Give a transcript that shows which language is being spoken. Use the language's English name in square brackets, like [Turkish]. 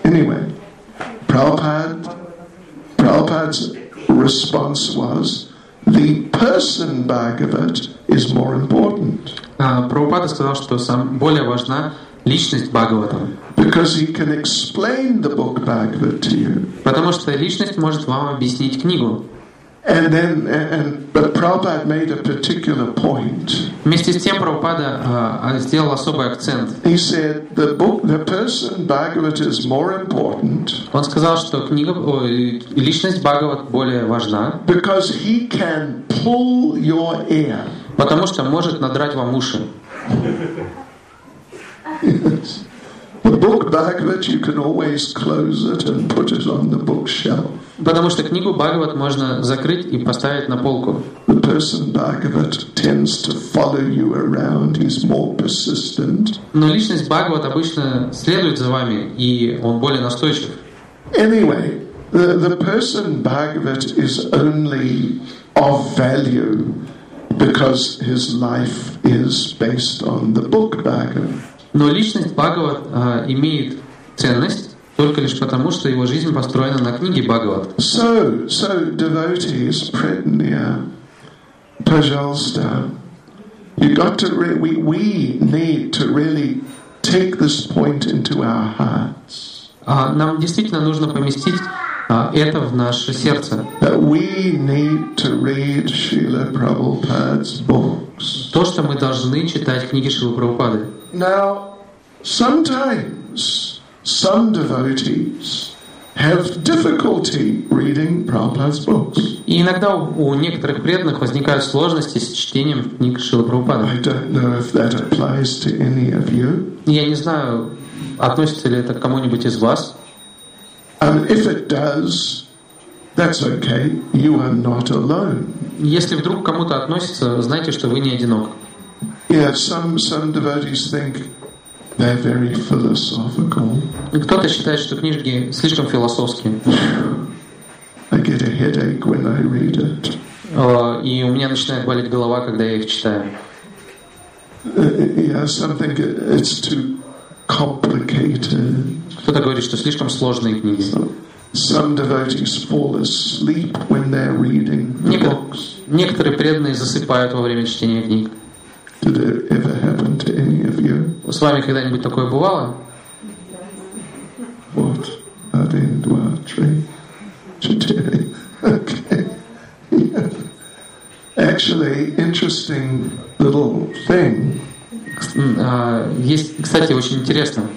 [English] Anyway, Prabhupada's response was, the person Bhagavat is more important. [Russian] Prabhupada сказал, что сам более важна личность Бхагавата. [English] Because he can explain the book Bhagavat to you. [Russian] Потому что личность может вам объяснить книгу. [English] And then, but Prabhupada made a particular point. [Russian] Вместе с тем Прабхупада сделал особый акцент. [English] He said the book, the person Bhagavat is more important. [Russian] Он сказал, что книга, личность Бхагават более важна. [English] Because he can pull your ear. [Russian] Потому что может надрать вам уши. [English] Yes. The book Bhagavat, you can always close it and put it on the bookshelf. [Russian] Потому что книгу Бхагават можно закрыть и поставить на полку. [English] The person Bhagavat tends to follow you around. He's more persistent. [Russian] Но личность Бхагават обычно следует за вами, и он более настойчив. [English] Anyway, the person Bhagavat is only of value because his life is based on the book Bhagavat. [Russian] Но личность Бхагават имеет ценность только лишь потому, что его жизнь построена на книге Бхагават. [English] So, devotees, Prednia, [Russian] пожалуйста, [English] you got to we need to really take this point into our hearts. [Russian] Нам действительно нужно поместить это в наше сердце. [English] That we need to read Srila Prabhupada's books. [Russian] То, что мы должны читать книги Шрилы Прабхупады. [English] Now, sometimes some devotees have difficulty reading Prabhupada's books. [Russian] Иногда у некоторых преданных возникают сложности с чтением книг Шрилы Прабхупады. [English] I don't know if that applies to any of you. [Russian] Я не знаю, относится ли это к кому-нибудь из вас. [English] If it does, that's okay. You are not alone. [Russian] Если вдруг к кому-то относится, знайте, что вы не одинок. [English] Yeah, some devotees think they're very philosophical. [Russian] Кто-то считает, что книжки слишком философские. [English] I get a headache when I read it. [Russian] И у меня начинает болеть голова, когда я их читаю. [English] Yeah, some think it's too complicated. [Russian] Кто-то говорит, что слишком сложные книги. [English] Some devotees fall asleep when they're reading the books. [Russian] Некоторые преданные засыпают во время чтения книг. [English] Did it ever happen to any of you? [Russian] С вами когда-нибудь такое бывало? [English] What? [Russian] Один, два, три, четыре. [English] Okay. Actually, interesting little thing. [Russian] Есть, кстати, очень интересно.